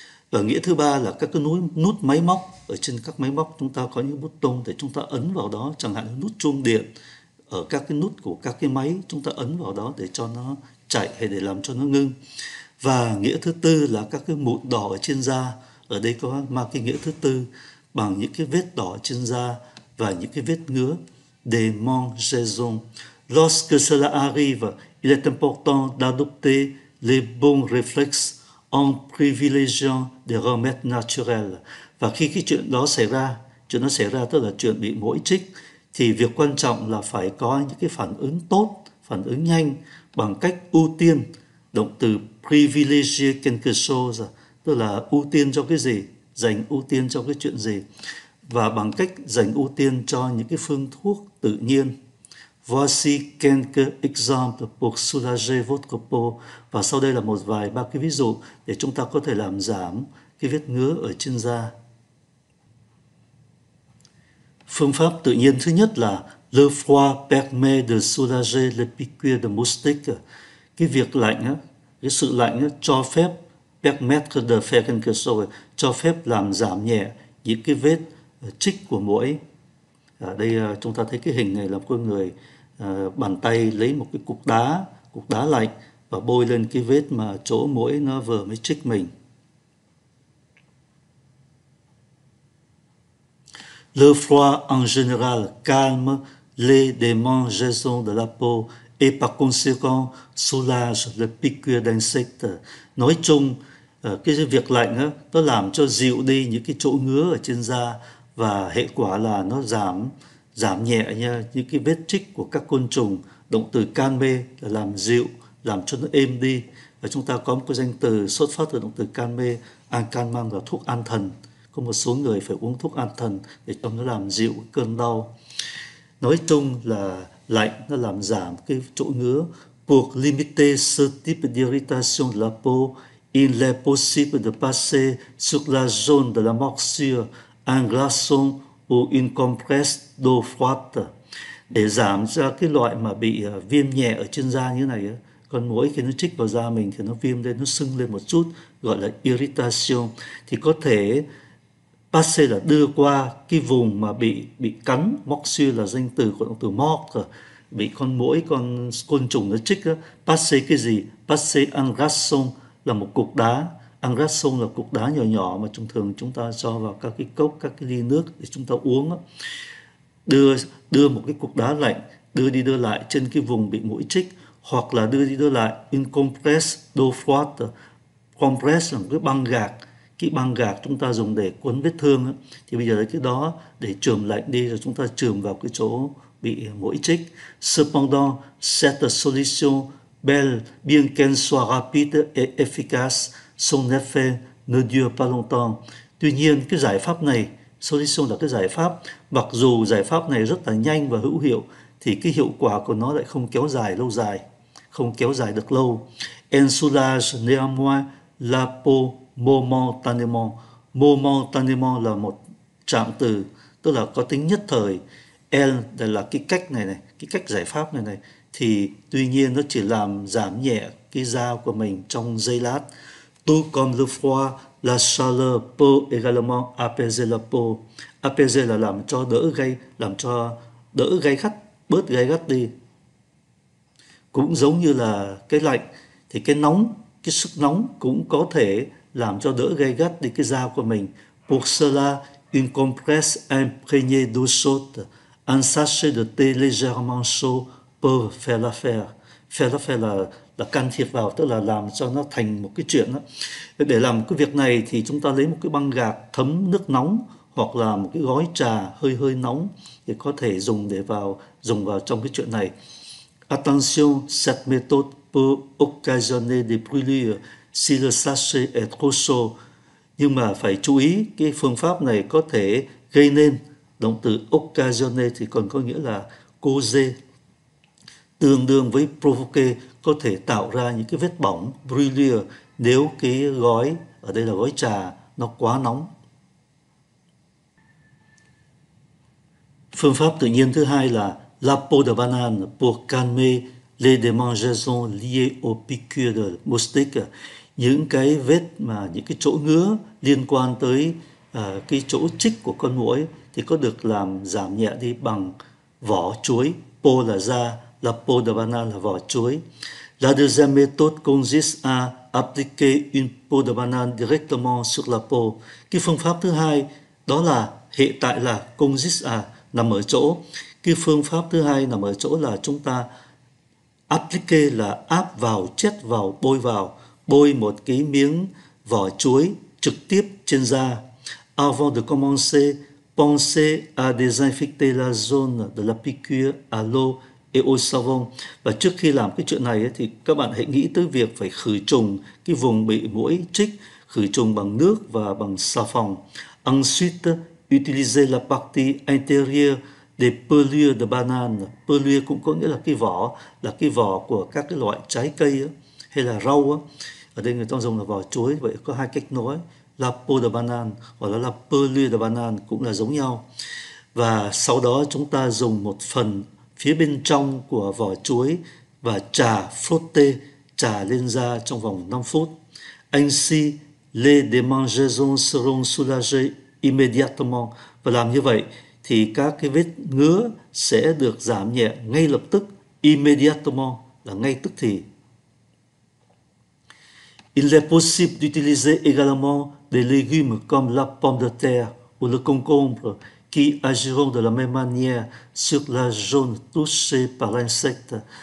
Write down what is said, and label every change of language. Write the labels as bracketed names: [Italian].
[Vietnamese] Và nghĩa thứ ba là các cái nút máy móc, ở trên các máy móc chúng ta có những bouton để chúng ta ấn vào đó, chẳng hạn nút chuông điện, ở các cái nút của các cái máy chúng ta ấn vào đó để cho nó chạy hay để làm cho nó ngưng. Và nghĩa thứ tư là các cái mụn đỏ ở trên da, ở đây có mang cái nghĩa thứ tư bằng những cái vết đỏ trên da và những cái vết ngứa, démangeaison. [French] Lorsque cela arrive, il est important d'adopter les bons réflexes en privilégiant des remèdes naturels. [Vietnamese] Và khi cái chuyện đó xảy ra, tức là chuyện bị muỗi chích, thì việc quan trọng là phải có những cái phản ứng tốt, phản ứng nhanh bằng cách ưu tiên. Động từ [French] privilégier quelque chose, [Vietnamese] tức là ưu tiên cho cái gì, dành ưu tiên cho cái chuyện gì. Và bằng cách dành ưu tiên cho những cái phương thuốc tự nhiên. [French] Voici quelques exemples pour soulager votre peau. [Vietnamese] Và sau đây là một vài ba cái ví dụ để chúng ta có thể làm giảm cái vết ngứa ở trên da. Phương pháp tự nhiên thứ nhất là [French] le froid permet de soulager les piqûres de moustique. [Vietnamese] Cái việc lạnh, cái sự lạnh cho phép, [French] permettre de faire quelque chose, [Vietnamese] cho phép làm giảm nhẹ những cái vết chích của muỗi. Ở đây chúng ta thấy cái hình này là con người bàn tay lấy một cái cục đá lạnh và bôi lên cái vết mà chỗ muỗi nó vừa mới chích mình. [French] Le froid en général calme les démangeaisons de la peau et par conséquent soulage les piqûres d'insectes. [Vietnamese] Nói chung, cái việc lạnh nó làm cho dịu đi những cái chỗ ngứa ở trên da, và hệ quả là nó giảm nhẹ nha những cái vết chích của các côn trùng. Động từ calme là làm dịu, làm cho nó êm đi. Và chúng ta có một cái danh từ xuất phát từ động từ calme, ancalmant, là thuốc an thần. Có một số người phải uống thuốc an thần để cho nó làm dịu cơn đau. Nói chung là lạnh nó làm giảm cái chỗ ngứa. [French] Pour limiter ce type d'irritation de la peau, il est possible de passer sur la zone de la morsure un glaçon ou une compresse d'eau froide. [Vietnamese] Để giảm ra cái loại mà bị viêm nhẹ ở trên da như này, con muỗi khi nó chích vào da mình thì nó viêm lên, nó sưng lên một chút, gọi là irritation, thì có thể passer là đưa qua cái vùng mà bị cắn. Morsure là danh từ của động từ mordre, bị con muỗi, con côn trùng nó chích. Passer cái gì? [French] Passer un glaçon [Vietnamese] là một cục đá. [French] Un glaçon [Vietnamese] là cục đá nhỏ nhỏ mà thường chúng ta cho vào các cái cốc, các cái ly nước để chúng ta uống. Đưa một cái cục đá lạnh, đưa đi đưa lại trên cái vùng bị muỗi chích, hoặc là đưa đi đưa lại [French] une compresse d'eau froide. [Vietnamese] Compresse là một cái băng gạc, cái băng gạc chúng ta dùng để cuốn vết thương. Thì bây giờ lấy cái đó để chườm lạnh đi, rồi chúng ta chườm vào cái chỗ bị muỗi chích. [French] Cependant, cette solution belle, bien qu'elle soit rapide et efficace, son effet ne dure pas longtemps. [Vietnamese] Tuy nhiên, cái giải pháp này, solution là cái giải pháp, mặc dù giải pháp này rất là nhanh và hữu hiệu, thì cái hiệu quả của nó lại không kéo dài lâu dài, không kéo dài được lâu. [French] En soulage néanmoins la peau momentanément. [Vietnamese] Momentanément là một trạng từ, tức là có tính nhất thời. En là cái cách này này, cái cách giải pháp này này, thì tuy nhiên nó chỉ làm giảm nhẹ cái da của mình trong giây lát. [French] Tout comme le froid, la chaleur peut également apaiser la peau. [Vietnamese] Apaiser là làm cho đỡ gay gắt, bớt gay gắt đi. Cũng giống như là cái lạnh, thì cái nóng, cái sức nóng cũng có thể làm cho đỡ gay gắt đi cái da của mình. [French] Pour cela, une compresse imprégnée d'eau chaude, un sachet de thé légèrement chaud pour faire l'affaire. Faire l'affaire [Vietnamese] là can thiệp vào, tức là làm cho nó thành một cái chuyện đó. Để làm cái việc này thì chúng ta lấy một cái băng gạc thấm nước nóng hoặc là một cái gói trà hơi hơi nóng thì có thể dùng để vào dùng vào trong cái chuyện này. [French] Attention, cette méthode peut occasionner des brûlures si le sachet est trop chaud. [Vietnamese] Nhưng mà phải chú ý, cái phương pháp này có thể gây nên, động từ occasionner thì còn có nghĩa là causer, tương đương với provoquer, có thể tạo ra những cái vết bỏng, brûlure, nếu cái gói, ở đây là gói trà, nó quá nóng. Phương pháp tự nhiên thứ hai là [French] la peau de banane pour calmer les démangeaisons liées aux piqûres de moustique. [Vietnamese] Những cái vết mà những cái chỗ ngứa liên quan tới cái chỗ chích của con muỗi thì có được làm giảm nhẹ đi bằng vỏ chuối. Peau là da, [French] la peau de banane [Vietnamese] là vỏ chuối. [French] La deuxième méthode consiste à appliquer une peau de banane directement sur la peau. [Vietnamese] Cái phương pháp thứ hai đó là hệ tại là [French] consiste à, [Vietnamese] nằm ở chỗ. Cái phương pháp thứ hai nằm ở chỗ là chúng ta applique là áp vào, chét vào, bôi vào. Bôi một cái miếng vỏ chuối trực tiếp trên da. [French] Avant de commencer, pensez à désinfecter la zone de la piqûre à l'eau et au savon. [Vietnamese] Và trước khi làm cái chuyện này thì các bạn hãy nghĩ tới việc phải khử trùng cái vùng bị muỗi chích, khử trùng bằng nước và bằng xà phòng. [French] Ensuite, utilisez la partie intérieure des pelures de banane. [Vietnamese] Pelure cũng có nghĩa là cái vỏ của các cái loại trái cây á, hay là rau á. Ở đây người ta dùng là vỏ chuối, vậy có hai cách nói, [French] la peau de banane [Vietnamese] hoặc là [French] la pelure de banane [Vietnamese] cũng là giống nhau. Và sau đó chúng ta dùng một phần phía bên trong của vỏ chuối và trà frotté, trà lên da trong vòng 5 phút. [French] Ainsi, les démangeaisons seront soulagées immédiatement. [Vietnamese] Và làm như vậy thì các cái vết ngứa sẽ được giảm nhẹ ngay lập tức, immédiatement là ngay tức thì. [French] Il est possible d'utiliser également des légumes comme la pomme de terre ou le concombre qui agiront de la même manière sur la zone touchée par l'insecte.